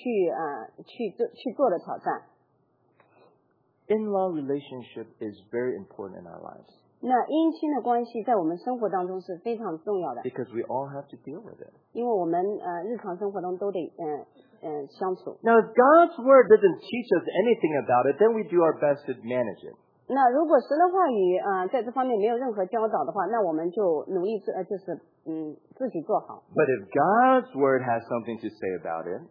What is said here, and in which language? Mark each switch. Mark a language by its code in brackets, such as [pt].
[zh] 那这就是一个好的，值得我们去做的挑战。 [en] In-law relationship is very important in our lives. [zh] 那姻亲的关系在我们生活当中是非常重要的。 [en] Because we all have to deal with it. [zh] 因为我们日常生活中都得相处。 [en] Now, if God's word doesn't teach us anything about it, then we do our best to manage it. [zh] 那如果神的话语在这方面没有任何教导的话，那我们就努力自己做好。 [en] But if God's word has something to say about it,